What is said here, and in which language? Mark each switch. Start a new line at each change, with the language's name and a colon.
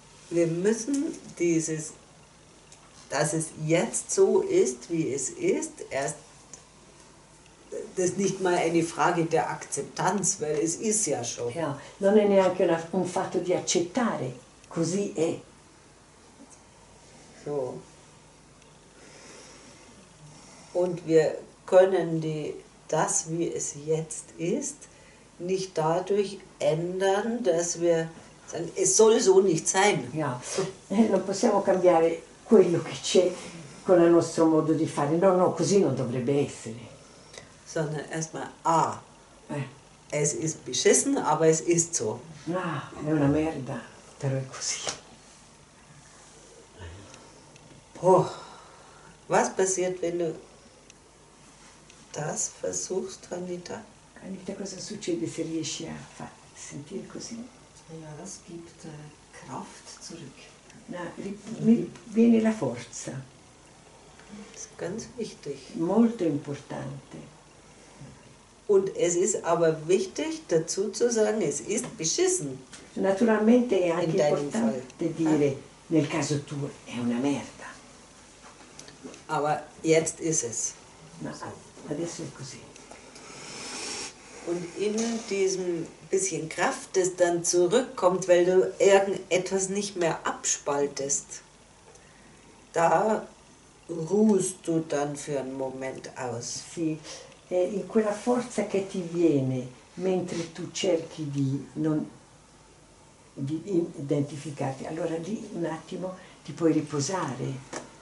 German: Wir müssen dieses, dass es jetzt so ist, wie es ist, erst, das ist nicht mal eine Frage der Akzeptanz, weil es ist ja schon.
Italian: Ja, non è neanche un fatto di accettare, così è.
German: So. Und wir können das, wie es jetzt ist, nicht dadurch ändern, dass wir sagen, es soll so nicht sein.
Italian: Ja, non possiamo cambiare quello che c'è con il nostro modo di fare. No, no, così non dovrebbe essere.
German: Sondern erstmal, es ist beschissen, aber es ist so.
Italian: Na, è una merda, però è così.
German: Boah, was passiert, wenn du das versuchst, Anita?
Italian: Anita, cosa succede se riesci a sentire così?
German: Ja, das gibt Kraft zurück.
Italian: Na, viene la forza.
German: Das ist ganz wichtig.
Italian: Molto importante.
German: Und es ist aber wichtig, dazu zu sagen, es ist beschissen.
Italian: Naturalmente è anche importante dire, Nel caso tuo è una merda.
German: Aber jetzt ist es.
Italian: Ma adesso è così.
German: Und in diesem bisschen Kraft, das dann zurückkommt, weil du irgendetwas nicht mehr abspaltest, da ruhst du dann für einen Moment aus.
Italian: Sì, in quella forza che ti viene, mentre tu cerchi di non di identificarti, allora lì un attimo ti puoi riposare.